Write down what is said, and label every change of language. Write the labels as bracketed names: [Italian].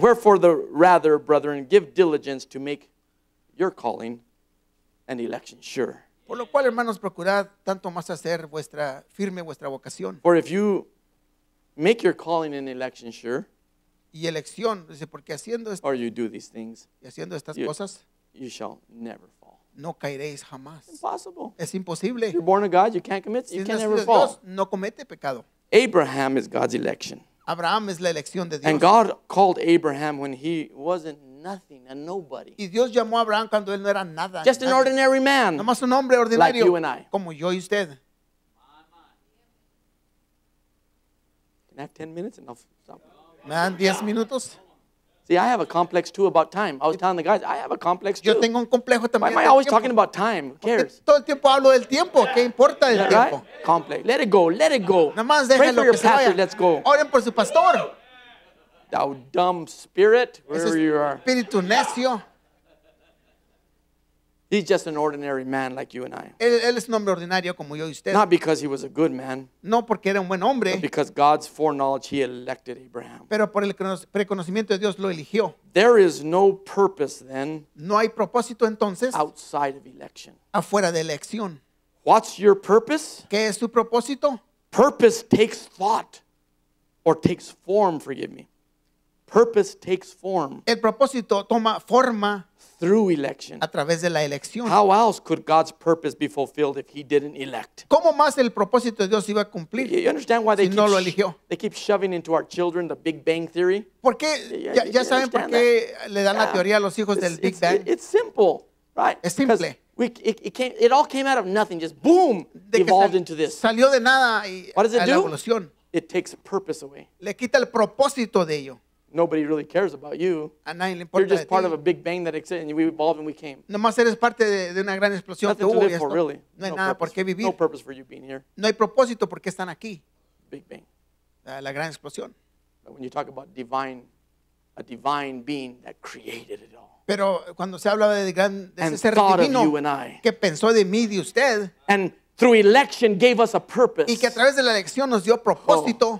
[English] Wherefore the rather, brethren, give diligence to make your calling and election sure. [Spanish] Por lo cual, hermanos, procurad tanto más hacer vuestra firme vuestra vocación. [English] For if you make your calling and election sure, [Spanish] y elección, dice, porque haciendo [English] or you do these things, [Spanish] y haciendo estas cosas, [English] you shall never fall. [Spanish] No caeréis jamás. [English] Impossible. [Spanish] Es imposible. [English] You're born of God, you can't commit, you can't ever fall. [Spanish] No comete pecado. [English] Abraham is God's election. [Spanish] Abraham es la elección de Dios. [English] And God called Abraham when he wasn't nothing and nobody. [Spanish] Y Dios llamó a Abraham cuando él no era nada. [English] Just an ordinary man. [Spanish] Nomás un hombre ordinario. [English] Like you and I. [Spanish] Como yo y usted. [English] Can I have 10 minutes and I'll stop? [Spanish] Man, 10 minutos. [English] See, I have a complex too about time. I was telling the guys, I have a complex too. [Spanish] Yo tengo un complejo también. [English] Why am I always talking about time? Who cares? [Spanish] Todo el tiempo hablo del tiempo. ¿Qué importa el tiempo? [English] Right? Complex. Let it go. Let it go. [Spanish] Nomás déjalo que se vaya. [English] Pray for your pastor. [Spanish] Vaya. [English] Let's go. [Spanish] Oren por su pastor. [English] Thou dumb spirit, wherever you are. [Spanish] Espíritu necio. [English] He's just an ordinary man like you and I. [Spanish] Él es un hombre ordinario como yo y usted. [English] Not because he was a good man. [Spanish] No porque era un buen hombre. [English] But because God's foreknowledge, he elected Abraham. [Spanish] Pero por el preconocimiento de Dios lo eligió. [English] There is no purpose then. [Spanish] No hay propósito entonces. [English] Outside of election. [Spanish] Afuera de elección. [English] What's your purpose? [Spanish] ¿Qué es tu propósito? [English] Purpose takes thought, or takes form. Forgive me. Purpose takes form. [Spanish] El propósito toma forma. [English] Through election. [Spanish] A través de la elección. [English] How else could God's purpose be fulfilled if he didn't elect? [Spanish] ¿Cómo más el propósito de Dios iba a cumplir? [English] You understand why [Spanish] si no lo eligió? [English] They keep shoving into our children the Big Bang Theory. [Spanish] ¿Por qué? Ya saben por qué le dan la teoría a los hijos del Big Bang. [English] It's simple, right? [Spanish] Es simple. [English] It all came out of nothing. Just boom, evolved into this. [Spanish] Salió de nada y [English] what does it do? [Spanish] La evolución. [English] It takes purpose away. [Spanish] Le quita el propósito de ello. [English] Nobody really cares about you. [Spanish] A nadie le importa. [English] You're just [Spanish] de [English] part [Spanish] ti. [English] Of a big bang that existed and we evolved and we came. [Spanish] Nomás eres parte de una gran explosión. [English] Nothing to live for, really. [Spanish] No hay nada por qué vivir. [English] No purpose for you being here. [Spanish] No hay propósito por qué están aquí. [English] Big bang. [Spanish] La gran explosión. [English] But when you talk about divine, a divine being that created it all. [Spanish] Pero cuando se habla de gran, de ese ser divino, que pensó de mí y de usted. [English] And through election gave us a purpose. [Spanish] Y que a través de la elección nos dio propósito.